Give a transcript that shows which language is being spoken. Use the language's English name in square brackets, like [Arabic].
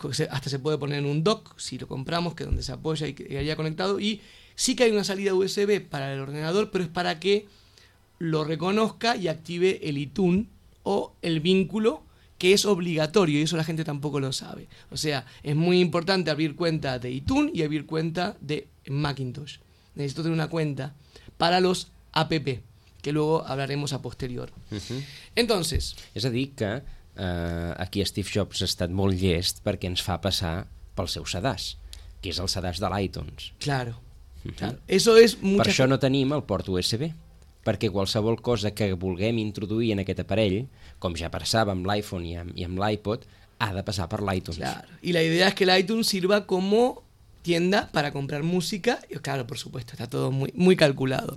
[Spanish] Hasta se puede poner en un dock si lo compramos, que es donde se apoya y que haya conectado, y sí que hay una salida USB para el ordenador, pero es para que lo reconozca y active el iTunes o el vínculo, que es obligatorio, y eso la gente tampoco lo sabe. O sea, es muy importante abrir cuenta de iTunes y abrir cuenta de Macintosh. Necesito tener una cuenta para los app, que luego hablaremos a posterior. Entonces, [Catalan] es a dir que aquí Steve Jobs ha estat molt llest perquè ens fa passar pel seu sedàs, que és el sedàs de l'iTunes. [Spanish] Claro. Eso es mucha... [Catalan] Per això no tenim el port USB, perquè qualsevol cosa que vulguem introduir en aquest aparell, com ja passava amb l'iPhone i amb l'iPod, ha de passar per l'iTunes. [Spanish] Claro. Y la idea es que l'iTunes sirva como tienda para comprar música. Y claro, por supuesto, está todo muy, muy calculado.